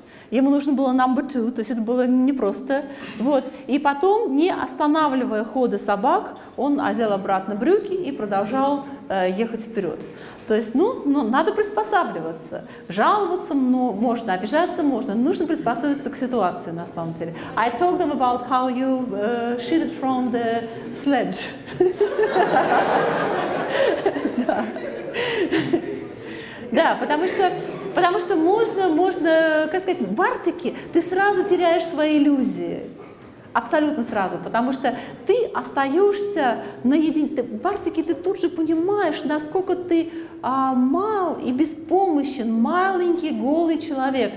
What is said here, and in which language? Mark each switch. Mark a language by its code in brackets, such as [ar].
[ru] Ему нужно было [en] number two, [ru] то есть это было непросто. Вот. И потом, не останавливая хода собак, он одел обратно брюки и продолжал ехать вперед. То есть, надо приспосабливаться. Жаловаться можно, обижаться можно, но нужно приспосабливаться к ситуации на самом деле. [en] I told them about how you shit it from the sledge. [ru] Да, потому что можно, как сказать, в Арктике ты сразу теряешь свои иллюзии. Абсолютно сразу, потому что ты остаешься наедине. В Арктике ты тут же понимаешь, насколько ты мал и беспомощен, маленький голый человек.